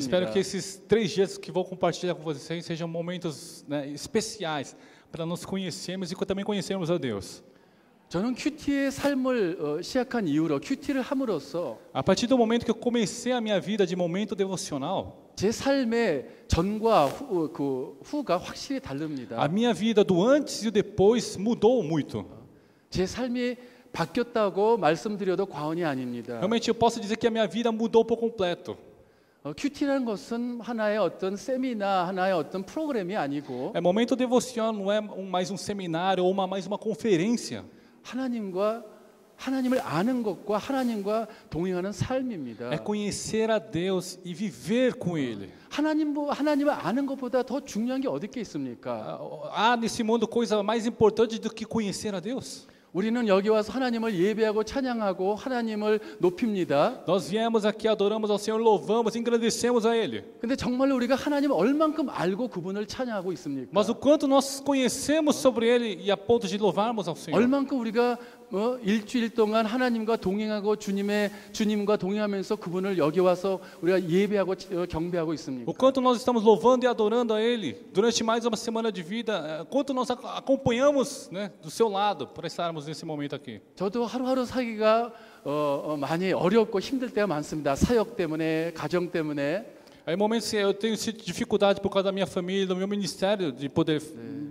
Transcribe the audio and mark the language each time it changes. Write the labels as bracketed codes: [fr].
[pt] Espero que esses três dias que vou compartilhar com vocês sejam momentos, né, especiais para nos conhecermos e também conhecermos a Deus. [ko] 저는 큐티의 삶을 시작한 이후로 큐티를 함으로써 [pt] A partir do momento que eu comecei a minha vida de momento devocional, [ko] 제 삶의 전과 후가 확실히 다릅니다. [pt] A minha vida do antes e depois mudou muito. [ko] 제 삶이 바뀌었다고 말씀드려도 과언이 아닙니다. [pt] Realmente eu posso dizer que a minha vida mudou por completo. [ko] 큐티라는 것은 하나의 어떤 세미나, 하나의 어떤 프로그램이 아니고 [pt] É momento devocional, não é mais um seminário ou mais uma conferência. [ko] 하나님과 하나님을 아는 것과 하나님과 동행하는 삶입니다. [pt] É conhecer a Deus e viver com ele. [ko] 하나님을 아는 것보다 더 중요한 게 어디 있습니까? [pt] Nesse mundo coisa mais importante do que conhecer a Deus? [ko] 우리는 여기 와서 하나님을 예배하고 찬양하고 하나님을 높입니다. [pt] Nós viemos aqui, adoramos ao Senhor, louvamos, engrandecemos a Ele. [ko] 근데 정말 우리가 하나님 얼만큼 알고 그분을 찬양하고 있습니까? [pt] Mas o quanto nós conhecemos sobre Ele e a ponto de louvarmos ao Senhor? [ko] 얼만큼 우리가 뭐 일주일 동안 하나님과 동행하고 주님과 동행하면서 그분을 여기 와서 우리가 예배하고 경배하고 있습니까? [pt] O quanto nós estamos louvando e adorando a Ele durante mais uma semana de vida, quanto nós acompanhamos, né, do seu lado para estarmos nesse momento aqui. [ko] 저도 하루하루 살기가 많이 어렵고 힘들 때가 많습니다. 사역 때문에, 가정 때문에. [pt] Aí momentos eu tenho essa dificuldade por causa da minha família, do meu ministério de poder 네.